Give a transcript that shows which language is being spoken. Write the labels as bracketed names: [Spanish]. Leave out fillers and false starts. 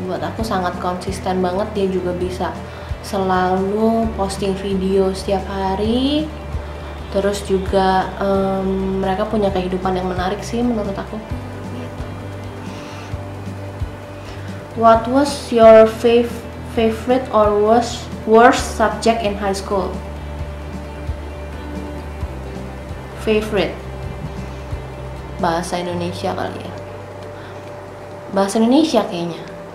[Indonesian] Buat aku sangat konsisten banget, dia juga bisa selalu posting video setiap hari. Terus juga mereka punya kehidupan yang menarik sih menurut aku. [English] What was your favorite or worst subject in high school? Favorite. [Indonesian] Bahasa Indonesia kali ya. Bahasa Indonesia kayaknya.